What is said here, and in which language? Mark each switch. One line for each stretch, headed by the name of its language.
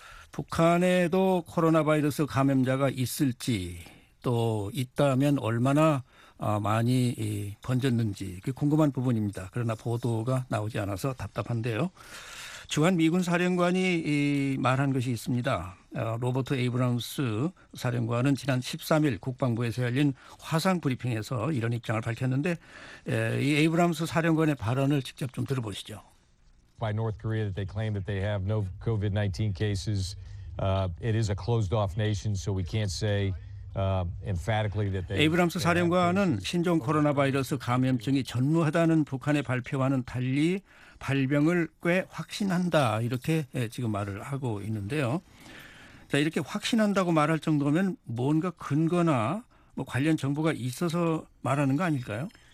Korean: 북한에도 코로나 바이러스 감염자가 있을지 또 있다면 얼마나 많이 번졌는지 궁금한 부분입니다. 그러나 보도가 나오지 않아서 답답한데요. 주한 미군 사령관이 말한 것이 있습니다. 로버트 에이브람스 사령관은 지난 13일 국방부에서 열린 화상 브리핑에서 이런 입장을 밝혔는데 이 에이브람스 사령관의 발언을 직접 좀 들어보시죠.
English: By North Korea that they claim that they have no COVID-19 cases. It is a closed off nation so we can't say emphatically that they
Korean: 에이브람스 사령관은 신종 코로나 바이러스 감염증이 전무하다는 북한의 발표와는 달리 발병을 꽤 확신한다 이렇게 지금 말을 하고 있는데요. 자, 이렇게 확신한다고 말할 정도면 뭔가 근거나 뭐 관련 정보가 있어서 말하는 거 아닐까요?